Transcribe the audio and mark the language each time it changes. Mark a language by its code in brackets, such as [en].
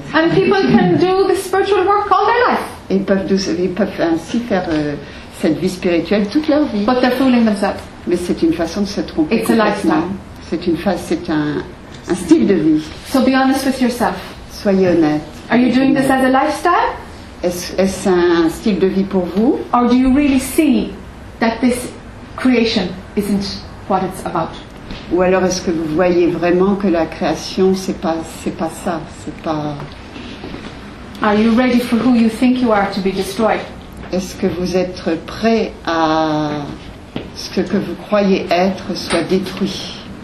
[en] And people can do the spiritual work all their life. [fr] Ils peuvent ainsi faire cette vie spirituelle toute leur vie. [en] But they're fooling themselves. [fr] Mais c'est une façon de se tromper. [en] It's a lifestyle. [fr] C'est un style de vie. [en] So be honest with yourself. [fr] Soyez honnête. [en] Are you doing this as a lifestyle? [fr] Est-ce un style de vie pour vous? [en] Or do you really see that this creation isn't what it's about? [fr] Ou alors est-ce que vous voyez vraiment que la création c'est pas ça, c'est pas. [en] Are you ready for who you think you are to be destroyed? [fr] Est-ce que vous êtes prêt à ce que vous croyez être soit détruit?